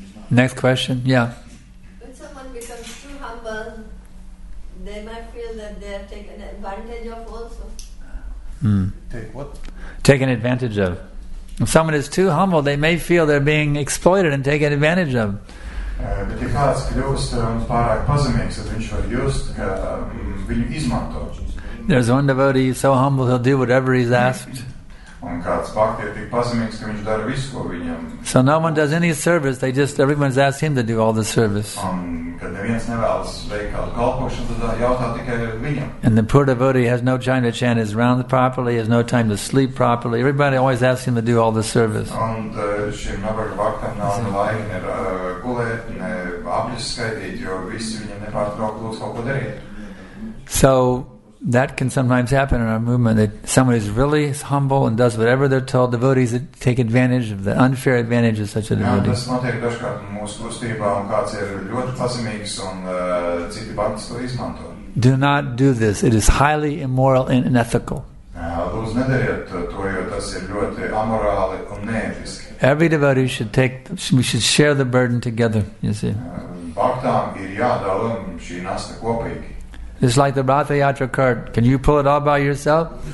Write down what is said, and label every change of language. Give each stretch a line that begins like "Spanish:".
English: Next question. Yeah. When someone becomes too humble, they might feel that they are taken advantage of also. Take what? Taken advantage of. If someone is too humble, they may feel they're being exploited and taken advantage of. But if
Latvian: kāds kļūst pārāk pazemīgs, tad viņš var just, ka viņu izmanto.
English: There's one devotee so humble he'll do whatever he's asked.
Latvian: Un kāds bhakti ir tik pazemīgs, ka viņš dara visu, ko viņam.
English: So no one does any service, they just, everyone's asked him to do all the service.
Latvian: Un, kad neviens nevēlas veikt kādu kalpošanu, tad jautā tikai viņam.
English: And the poor devotee has no time to chant his rounds properly, has no time to sleep properly. Everybody always asks him to do all the service.
Latvian: Un šim nabaga bhaktam nav ne laika, ne gulēt, ne apļus skaitīt, jo visi viņam nepārtraukti lūdz kaut ko darīt.
English: So that can sometimes happen in our movement, that someone is really humble and does whatever they're told. Devotees that take advantage of the unfair advantage of such a devotee.
Latvian: Jā, tas notiek dažkārt mūsu kustībā, un kāds ir ļoti pazemīgs, un citi bandas to izmanto.
English: Do not do this. It is highly immoral and unethical.
Latvian: Lūdzu nedariet to, jo tas ir ļoti amorāli un neētiski.
English: Every devotee should take, we should share the burden together, you see.
Latvian: Bhaktām ir jādalam šī nasta kopīgi.
English: It's like the Ratha Yatra cart. Can you pull it all by yourself?